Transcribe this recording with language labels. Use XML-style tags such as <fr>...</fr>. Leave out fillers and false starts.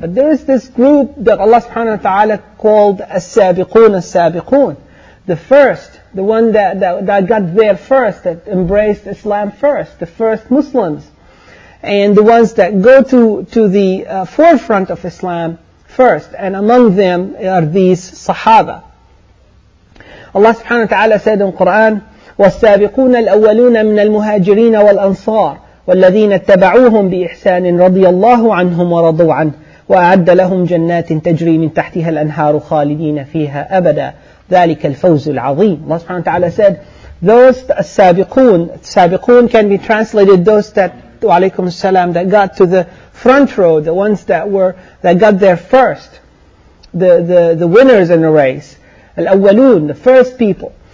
<en>But there is this group that Allah subhanahu wa ta'ala called as-sabiqoon as-sabiqoon. The first, the one that got there first, that embraced Islam first, the first Muslims. And the ones that go to the forefront of Islam first. And among them are these Sahaba. Allah subhanahu wa ta'ala said in Quran,</en> <ar>والسابقون الأولون من المهاجرين والأنصار والذين اتبعوهم بإحسان رضي الله عنهم ورضوا عنه وأعد لهم جنات تجري من تحتها الأنهار خالدين فيها أبدا ذلك الفوز العظيم.</ar> <en>Allah subhanahu wa ta'ala said, those السابقون, السابقون can be translated those that,</en> <ar>وعليكم السلام,</ar> <en>that got to the front row, the ones that got there first, the winners in the race, الأولون, the first people.</en>